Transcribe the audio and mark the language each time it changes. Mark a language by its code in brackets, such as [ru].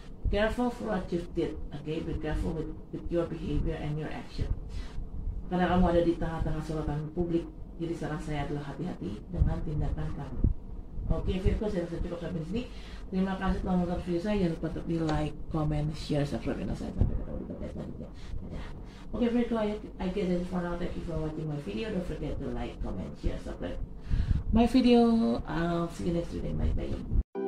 [en] Careful for what you did. Okay, be careful with your behavior and your action. [id] Karena kamu ada di tengah-tengah sorotan publik, jadi saran saya adalah hati-hati dengan tindakan kamu. Oke, Virgo, saya rasa cukup sampai sini. Terima kasih telah menonton video saya. Jangan lupa untuk di like, comment, share, subscribe, dan saya sampai ketemu di video selanjutnya. [en] Okay, very quiet. I guess that's for now. Thank you for watching my video. Don't forget to like, comment, share, subscribe my video. I'll see you next video. Bye-bye.